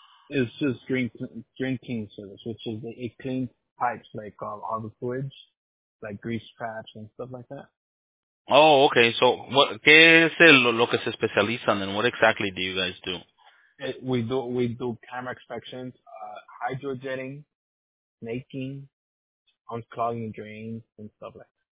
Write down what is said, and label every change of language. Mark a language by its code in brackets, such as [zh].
[en] It's just drain cleaning service, which is it cleans pipes like all the sewage, like grease traps and stuff like that. Oh, okay. [es] So, ¿qué es lo que se especializan en? [en] What exactly do you guys do? We do camera inspections, hydro jetting, snaking, unclogging drains and stuff like that.